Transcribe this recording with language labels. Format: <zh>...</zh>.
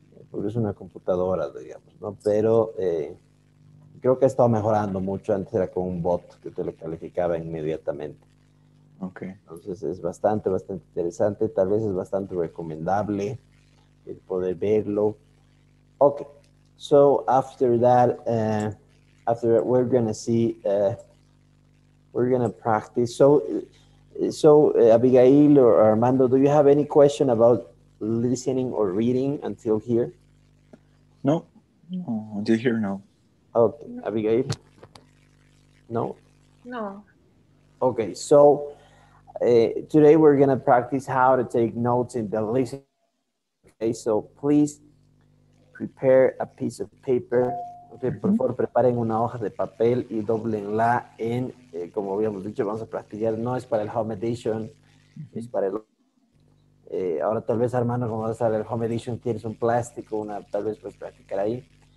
<es>Porque es una computadora, digamos, ¿no? Pero creo que ha estado mejorando mucho. Antes era con un bot que te lo calificaba inmediatamente. Entonces es bastante, bastante interesante. Tal vez es bastante recomendable el poder verlo.</es> <en>Okay. So, after that, we're going to see, we're going to practice. So, Abigail or Armando, do you have any question about listening or reading until here? No, until here, no. Okay, Abigail? No? No. Okay, so today we're going to practice how to take notes in the listening. Okay, so please prepare a piece of paper.</en> <es>Okay, por favor, preparen una hoja de papel y doblenla en, como habíamos dicho, vamos a practicar. No es para el home edition, es para el... ahora tal vez, hermano, como vas a ver el home edition, tienes un plástico, una, tal vez puedes practicar ahí.</es>